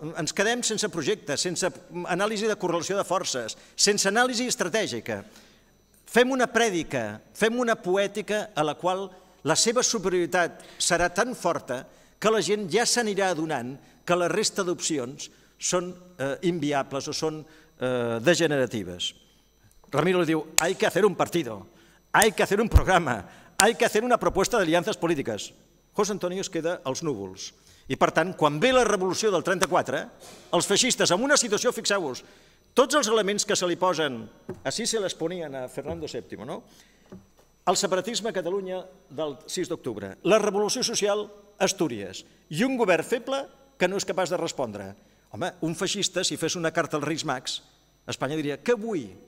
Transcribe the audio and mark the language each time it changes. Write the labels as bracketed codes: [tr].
[ca] Ens quedem sense projecte, sense anàlisi de correlació de forces, sense anàlisi estratègica. Fem una prèdica, fem una poètica a la qual la seva superioritat serà tan forta que la gent ja s'anirà adonant que la resta d'opcions són inviables o són degeneratives. Ramiro li diu, [es] hay que hacer un partido, hay que hacer un programa, hay que hacer una propuesta [ca] d'aliances polítiques. José Antonio es queda als núvols. I per tant, quan ve la revolució del 34, els feixistes, en una situació, fixeu-vos, tots els elements que se li posen, [es] així se les ponien a Fernando VII, [ca] no? El separatisme a Catalunya del 6 d'octubre, la revolució social a Astúries i un govern feble que no és capaç de respondre. Home, un feixista, si fes una carta als Reis Mags, Espanya diria, què vull?